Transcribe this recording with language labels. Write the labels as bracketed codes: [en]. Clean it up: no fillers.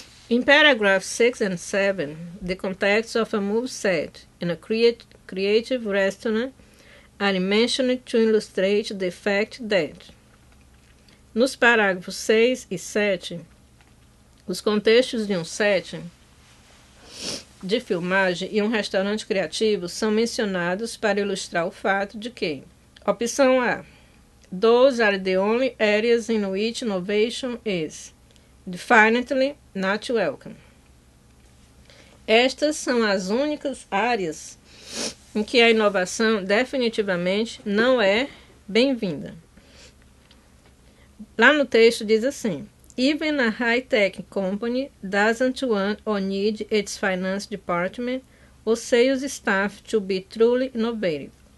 [en] In paragraph 6 and 7, the context of a moveset in a creative restaurant are mentioned to illustrate the fact that. [pt] Nos parágrafos 6 e 7, os contextos de um set de filmagem e um restaurante criativo são mencionados para ilustrar o fato de que. Opção A. [en] Those are the only areas in which innovation is. Definitely not welcome. [pt] Estas são as únicas áreas em que a inovação definitivamente não é bem-vinda. Lá no texto diz assim: [en] Even a high-tech company doesn't want or need its finance department or sales staff to be truly innovative.